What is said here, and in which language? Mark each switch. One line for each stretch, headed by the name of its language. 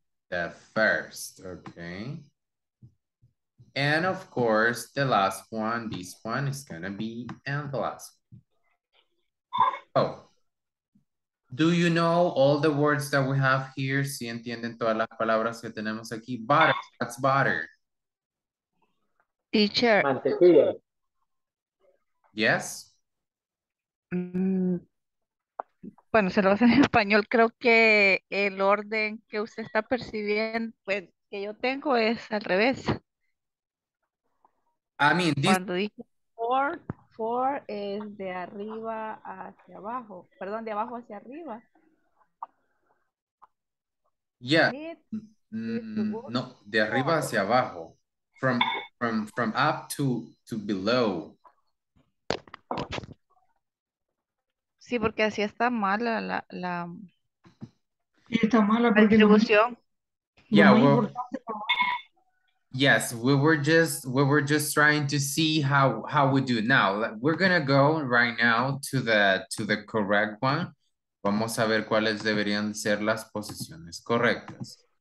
English: The first, okay. And of course, the last one, this one is gonna be, and the last one. Oh, do you know all the words that we have here?
Spanish: Si entienden todas las palabras que tenemos aquí.
English: Butter, that's butter. Teacher. Yes.
Spanish: Bueno, se lo hace en español. Creo que el orden que usted está percibiendo, pues, que yo tengo es al revés.
English: I mean, this...
Spanish: Cuando dije four es de arriba hacia abajo. Perdón, de abajo hacia arriba. Yeah. No, de arriba hacia abajo.
English: From up to below.
Spanish: Sí, porque así está mala la está mala la distribución.
English: Yeah, well, yes, we were just trying to see how we do. Now we're gonna go right now to the correct one.
Spanish: Vamos a ver cuáles deberían ser las posiciones correctas.